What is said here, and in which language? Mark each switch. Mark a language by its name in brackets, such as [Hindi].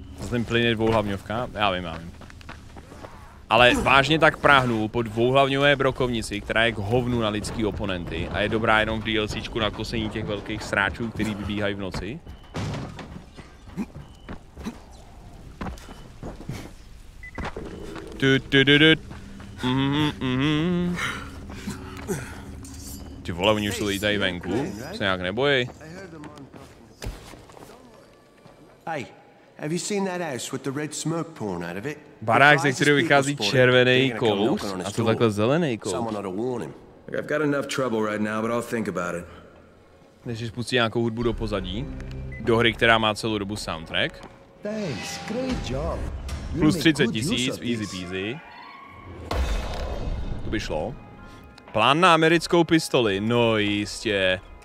[Czech] Ten plyn je dvouhlavňovka? Já vím, já vím. Ale vážně tak práhnu po dvouhlavňové brokovnici, která je k hovnu na lidský oponenty a je dobrá jenom v DLCčku na kosení těch velkých sráčů, který vybíhají v noci. Ty vole, oni už jsou tady venku. Se nějak nebojí. Hej. [English] Have you seen that house with the red smoke pouring out of it? [Czech] Barák, ze kterého vychází červený kous a to takhle zelený kous. [English] I've got enough trouble right now, but I'll think about it. [Czech] Než si spustí nějakou hudbu do pozadí, do hry, která má celou dobu soundtrack. [English] Thanks, great job. [Czech] Plus 30 tisíc, [English] easy peasy. [Czech] To by šlo. Plán na americkou pistoli, no jistě.